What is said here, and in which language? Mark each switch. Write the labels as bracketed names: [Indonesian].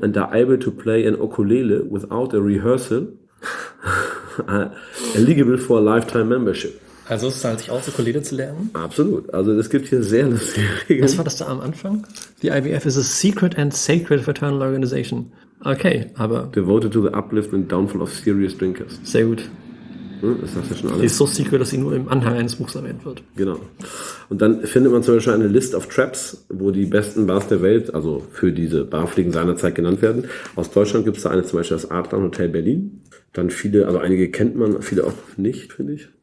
[English] and are able to play an ukulele without a rehearsal, eligible for a lifetime membership. [German] Also es zahlt sich auch, Ukulele zu lernen? Absolut, also es gibt hier sehr lustige Regeln. Was war das da am Anfang? [English] Die IBF is a secret and sacred fraternal organization. [German] Okay, aber... [English] Devoted to the uplift and downfall of serious drinkers. [German] Sehr gut. Das sagst du ja schon alles. Die ist so secret, dass sie nur im Anhang eines Buchs erwähnt wird. Genau. Und dann findet man zum Beispiel eine List of Traps, wo die besten Bars der Welt, also für diese Barfliegen seinerzeit genannt werden. Aus Deutschland gibt es da eine, zum Beispiel das Adlon Hotel Berlin. Dann viele, also einige kennt man, viele auch nicht, finde ich.